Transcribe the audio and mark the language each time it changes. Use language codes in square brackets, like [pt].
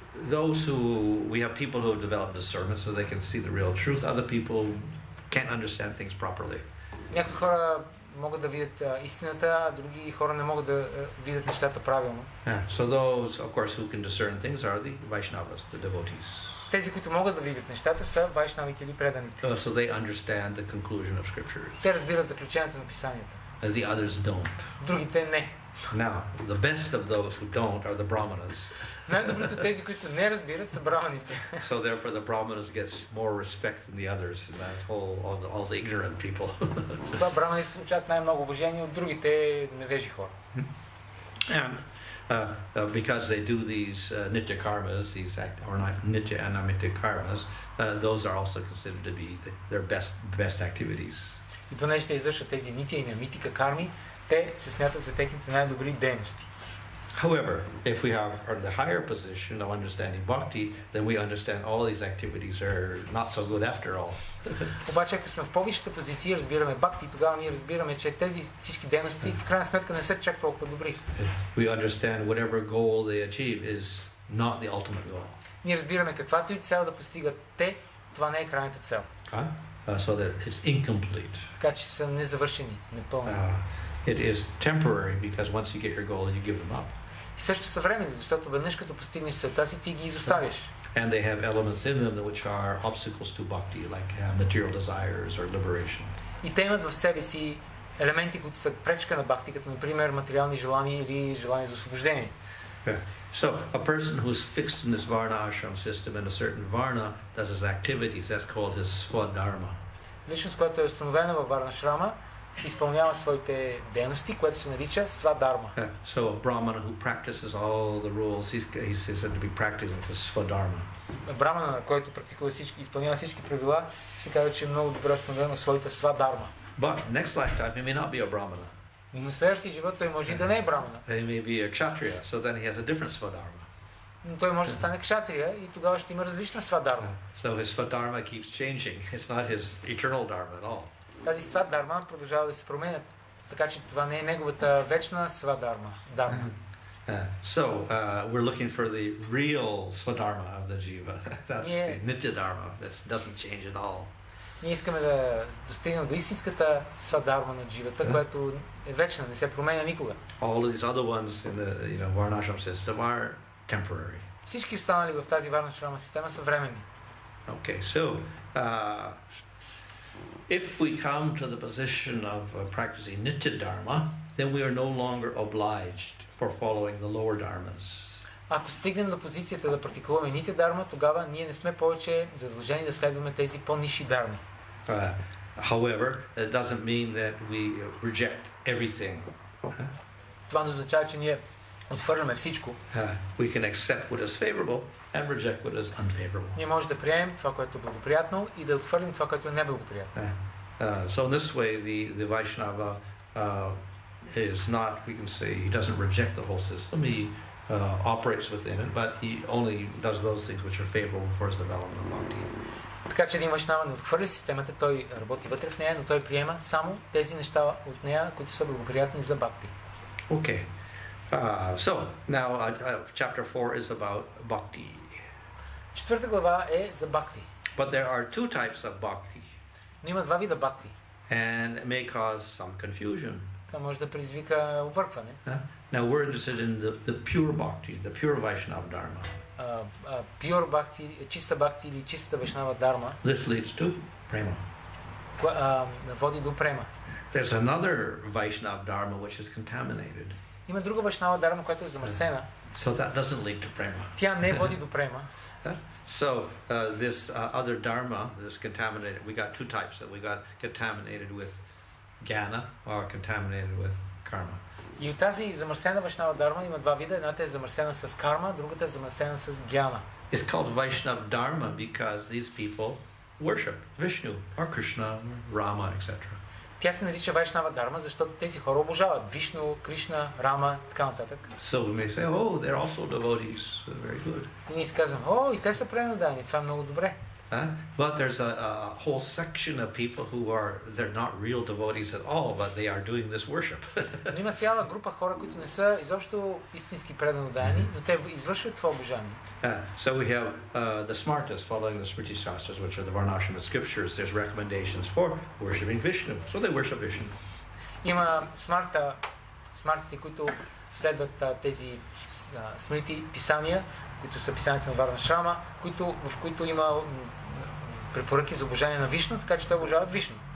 [en] Those who we have people who have developed discernment so they can see the real truth. Other people can't understand things properly. [bg] Някои хора могат да видят истината, а други хора не могат да видят нещата правилно. [en] So those, of course, who can discern things are the Vaishnavas, the devotees. [bg] Тези, които могат да видят нещата, са вайшнавите или преданите. [en] So they understand the conclusion of scriptures. [bg] Те разбират заключението на писанията. [en] And the others don't. [bg] Другите не. [en] Now, the best of those who don't are the brahmanas. [bg] Най-добрите от тези, които не разбират, са браманите. [en] So therefore the brahmanas get more respect than the others in that whole all the ignorant people. [bg] Затова браманите получават най-много уважение от другите невежи хора. [en] And because they do these nitya karmas, these act or not nitya and namitya karmas, those are also considered to be their best activities. [bg] И понеже те извършват тези нитя и намитика карми, те се смятат за техните най-добри дейности. [en] However, if we have earned the higher position of understanding bhakti, then we understand all these activities are not so good after all. [bg] Обаче, ако сме в повишата позиция и разбираме бхакти, тогава ние разбираме, че тези всички дейности, в крайна сметка, не са чак толкова добри. [en] We understand whatever goal they achieve is not the ultimate goal. [bg] Ние разбираме каквато и цел да постигат те, това не е крайната цел. [en] So that it's incomplete. [bg] Така че са незавършени, непълни. [en] It is temporary because once you get your goal, you give them up. [bg] И също са временни, защото веднъж като постигнеш целта си, ти ги изоставиш. [en] And they have elements in them which are obstacles to bhakti, like material desires or liberation. [bg] И те имат в себе си елементи, които са пречка на бхакти, като например материални желания или желания за освобождение. [en] So a person who is fixed in this varna ashram system in a certain varna does his activities. That's called his swadharma. [bg] Личност, която е установена във варна шрама, си изпълнява своите дейности, което се нарича свадарма. [en] So a brahmana who practices all the rules, he's said to be practicing the svadharma. [bg] Брахмана, който практикува всички, изпълнява всички правила, се казва, че е много добре установил своите свадарма. [en] But next lifetime he may not be a brahmana. [bg] Но следващия живот той може да не е брахмана. [en] He may be a kshatriya, so then he has a different svadharma. [bg] Но той може да стане кшатрия и тогава ще има различна свадарма. [en] So his свадарма keeps changing. It's not his eternal dharma at all. [bg] Тази свадарма продължава да се променя, така че това не е неговата вечна свадарма. Дарма. [en] So we're looking for the real свадарма of the jiva. That's the nitya dharma. This doesn't change at all. [bg] Ние искаме да достигнем до истинската свадарма на дживата, която е вечна, не се променя никога. [en] All these other ones in the, you know, Varnashram system are temporary. [bg] Всички останали в тази Варнашрама система са временни. [en] Okay, so if we come to the position of practicing nitya dharma, then we are no longer obliged for following the lower dharmas. [bg] Ако стигнем до позицията да практикуваме нитя дарма, тогава ние не сме повече задължени да следваме тези по-ниши дарми. [en] However, it doesn't mean that we reject everything. [bg] Това не означава, че ние отвърнаме всичко. [en] We can accept what is favorable and reject what is unfavorable. [bg] Ние може да приемем това, което е благоприятно, и да отвърнем това, което е неблагоприятно. [en] So in this way, the Vaishnava is not, we can say, he doesn't reject the whole system. He operates within it, but he only does those things which are favorable for his development of bhakti. [bg] Така че един вайшнава не отхвърля системата, той работи вътре в нея, но той приема само тези неща от нея, които са благоприятни за бхакти. [en] Okay. So now chapter 4 is about bhakti. [bg] Четвърта глава е за бхакти. [en] But there are two types of bhakti. [bg] Но има два вида бхакти. [en] And it may cause some confusion. [bg] Това може да предизвика объркване. [en] Now we're interested in the pure bhakti, the pure Vaishnava dharma. Pure bhakti, [bg] чиста бхакти или чиста Вайшнава дарма. [en] This leads to prema. [bg] Води до према. [en] There's another Vaishnava dharma which is contaminated. [bg] Има друга Вайшнава дарма, която е замърсена. [en] So that doesn't lead to prema. [bg] Тя не води до према. [en] So this other dharma, this contaminated, we got two types that we got contaminated with. Gana or contaminated with karma. [bg] И от тази замърсена Вайшнава дарма има два вида. Едната е замърсена с карма, другата е замърсена с гьяна. [en] It's called Vaishnava dharma because these people worship Vishnu or Krishna, Rama, etc. [bg] Тя се нарича Вайшнава дарма, защото тези хора обожават Вишну, Кришна, Рама, така нататък. [en] So we may say, oh, they're also devotees. Very good. [bg] И ние казваме, о, и те са пренадани, това е много добре. [en] But there's a whole section of people who are, they're not real devotees at all, but they are doing this worship. [bg] Но има цяла група хора, които не са изобщо истински преданодани, но те извършват това обожание. [en] So we have the smartest following the Smriti Shastras, which are the Varnashrama scriptures. There's recommendations for worshiping Vishnu. So they worship Vishnu. [bg] Има смарта, смартите, които следват тези Смрити писания, които са писаните на Варнашрама, в които има препоръки за обожание на Вишну, така че те обожават Вишну.